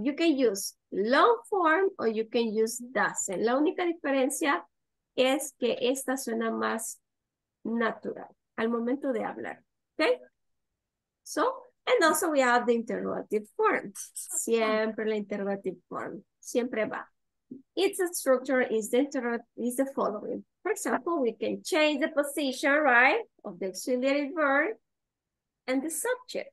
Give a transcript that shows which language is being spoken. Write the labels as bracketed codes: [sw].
[en] You can use long form or you can use doesn't. [es] La única diferencia es que esta suena más natural al momento de hablar. [en] Okay? So, and also we have the interrogative form. [es] Siempre la [en] interrogative form. [es] Siempre va. [en] Its structure is the following. For example, we can change the position, right, of the auxiliary verb and the subject.